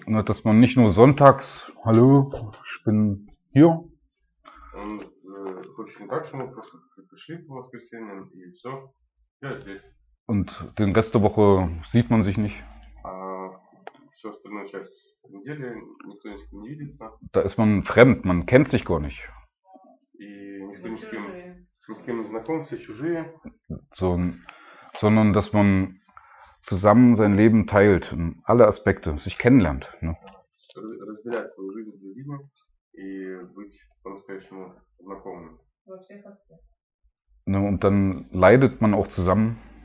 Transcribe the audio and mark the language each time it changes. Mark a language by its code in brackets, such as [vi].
[de] Ну, dass man nicht nur sonntags, hallo, ich bin hier. [ru] Он хочет не так, что мы просто пришли по воскресеньям и все. Я здесь. [de] Und den Rest der Woche sieht man sich nicht. [ru] Все остальную часть недели никто ни с кем не видится. [de] Da ist man fremd, man kennt sich gar nicht. [ru] И никто ни с кем с кем он знаком, все чужие. [de] Sondern dass man zusammen sein Leben teilt, alle Aspekte, sich kennenlernt. Ne? [ru] Разделять свою жизнь с другими и быть по-настоящему знакомым. [de] Ne, und dann leidet man auch zusammen.